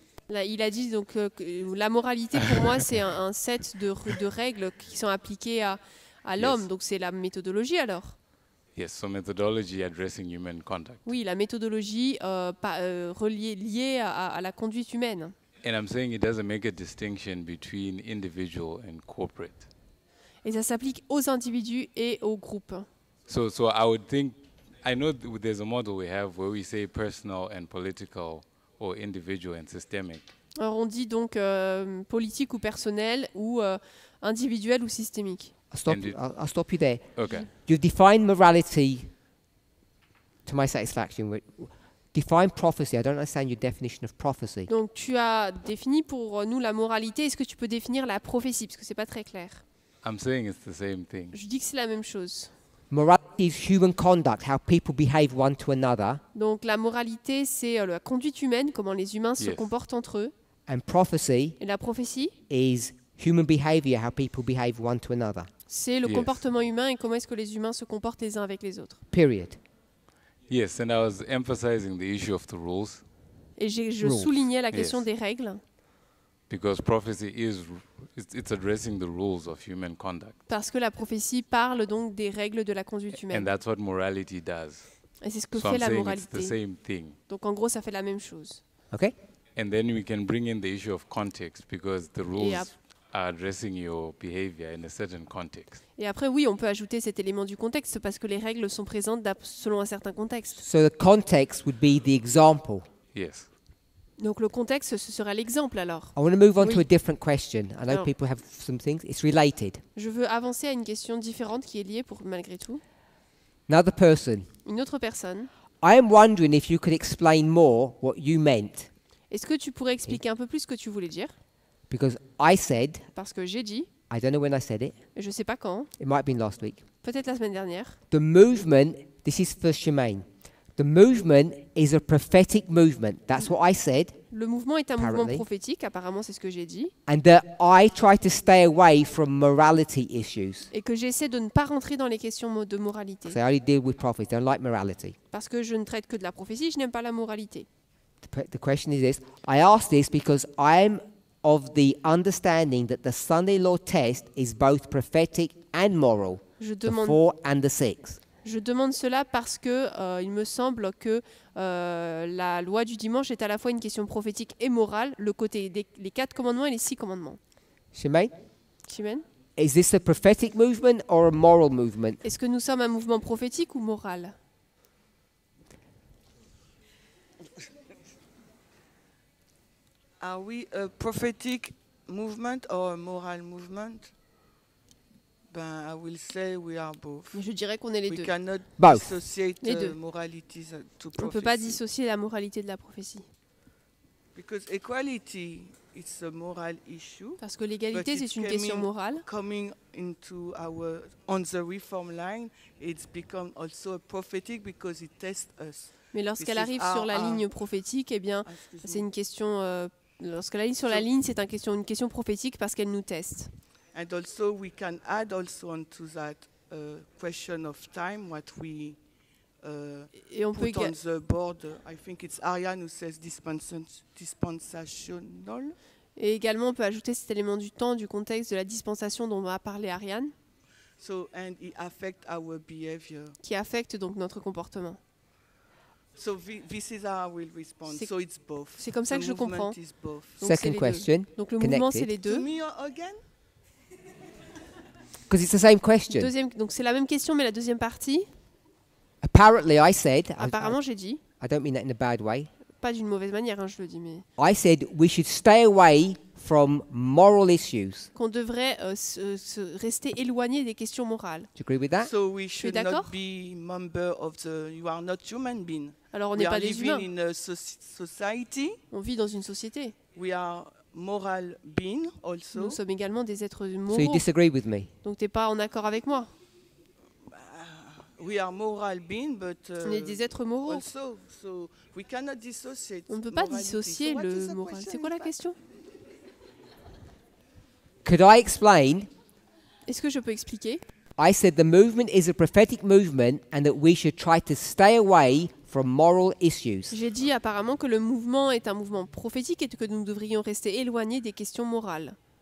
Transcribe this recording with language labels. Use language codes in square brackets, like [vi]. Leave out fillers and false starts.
[fr] Là, il a dit donc que la moralité pour moi c'est un set de règles qui sont appliquées à l'homme. [en] Yes. [fr] Donc c'est la méthodologie alors. [en] Yes, so methodology addressing human conduct. [fr] Oui, la méthodologie liée à la conduite humaine. [en] And I'm saying it doesn't make a distinction between individual and corporate. [fr] Et ça s'applique aux individus et aux groupes. [en] So I would think, I know there's a model we have where we say personal and political or individual and systemic. [fr] Alors on dit donc politique ou personnel ou individuel ou systémique. [en] I'll stop you there. Okay. You define morality to my satisfaction. Define prophecy. I don't understand your definition of prophecy. [fr] Donc tu as défini pour nous la moralité. Est-ce que tu peux définir la prophétie? Parce que c'est pas très clair. [en] I'm saying it's the same thing. [fr] Je dis que c'est la même chose. [en] Morality is human conduct, how people behave one to another. [fr] Donc la moralité c'est la conduite humaine, comment les humains se comportent entre eux. [en] And prophecy. [fr] Et la prophétie. [en] Is human behavior, how people behave one to another. [fr] C'est le comportement humain et comment est-ce que les humains se comportent les uns avec les autres. [en] Period. Yes, and I was emphasizing the issue of the rules. [fr] Et je soulignais la question des règles. [en] Because prophecy is it's addressing the rules of human conduct. [fr] Parce que la prophétie parle donc des règles de la conduite humaine. [en] And that's what morality does. [fr] Et c'est ce que fait la moralité. [en] It's the same thing. [fr] Donc en gros, ça fait la même chose. [en] Okay? And then we can bring in the issue of context because the rules are addressing your behavior in a certain context. [fr] Et après, oui, on peut ajouter cet élément du contexte parce que les règles sont présentes selon un certain contexte. [en] So the context would be the example. Yes. [fr] Donc le contexte, ce sera l'exemple alors. [en] I want to move on to a different question. I know people have some things. It's related. [fr] Je veux avancer à une question différente qui est liée pour malgré tout. [en] Another person. [fr] Une autre personne. [en] I am wondering if you could explain more what you meant. [fr] Est-ce que tu pourrais expliquer un peu plus ce que tu voulais dire? [en] Because I said, [fr] parce que j'ai dit, [en] I don't know when I said it. [fr] Je ne sais pas quand. [en] It might have been last week. [fr] Peut-être la semaine dernière. [en] The movement, this is for Shemaine. The movement is a prophetic movement. That's what I said. [fr] Le mouvement est un mouvement prophétique, apparemment c'est ce que j'ai dit. [en] And that I try to stay away from morality issues. [fr] Et que j'essaie de ne pas rentrer dans les questions de moralité. [en] So I only deal with prophets, I don't like morality. [fr] Parce que je ne traite que de la prophétie, je n'aime pas la moralité. [en] The question is this. I ask this because I'm of the understanding that the Sunday law test is both prophetic and moral. The 4 and the 6. [fr] Je demande cela parce que il me semble que la loi du dimanche est à la fois une question prophétique et morale, le côté les 4 commandements et les 6 commandements. [en] Shemaine? Is this a prophetic movement or a moral movement? [fr] Est-ce que nous sommes un mouvement prophétique ou moral? [en] Are we a prophetic movement or a moral movement? Ben, I will say we are both. [fr] Je dirais qu'on est les [en] we [fr] deux. [en] We cannot both. Dissociate the morality to prophecy. [fr] On ne peut pas dissocier la moralité de la prophétie. [en] Because equality is a moral issue. [fr] Parce que l'égalité, c'est une question morale. [en] Coming into our on the reform line, it's become also a prophetic because it tests us. [fr] Mais lorsqu'elle arrive sur la ligne prophétique, eh bien, c'est une question. Lorsqu'elle arrive sur la ligne, c'est une question prophétique parce qu'elle nous teste. [en] And also, we can add also onto that question of time what we [fr] et on [en] put [fr] peut [en] on the board. I think it's Ariane who says dispensational. [fr] Et également, on peut ajouter cet élément du temps, du contexte, de la dispensation dont on va parler Ariane. [en] So and it affects our behavior. [fr] Qui affecte donc notre comportement. [en] So this is how I will respond. So it's both. [fr] C'est comme ça que je comprends. [en] Second question. [fr] Donc le mouvement, c'est les deux. [en] To me again? Because it's the same question. [fr] Deuxième, donc c'est la même question, mais la deuxième partie. [en] Apparently, I said. [fr] Apparemment, j'ai dit. [en] I don't mean that in a bad way. [fr] Pas d'une mauvaise manière, hein, je le dis, mais. [en] I said we should stay away from moral issues. [fr] Qu'on devrait se rester éloigné des questions morales. [en] Do you agree with that? So we should not be member of the. You are not human being. [fr] Alors on n'est pas des humains. [en] We are living in a society. [fr] On vit dans une société. [en] We are moral being also. [fr] Nous sommes également des êtres moraux. [en] So you disagree with me? [fr] Donc t'es pas en accord avec moi? [en] We are moral being, but [fr] on est des êtres moraux. [en] Also, so we cannot dissociate. [fr] On ne peut pas dissocier le moral. C'est quoi la question? [en] Could I explain? [fr] Est-ce que je peux expliquer? [en] I said the movement is a prophetic movement and that we should try to stay away from moral issues. [fr] J'ai dit apparemment que le mouvement est un mouvement prophétique et que nous devrions rester éloignés des questions morales.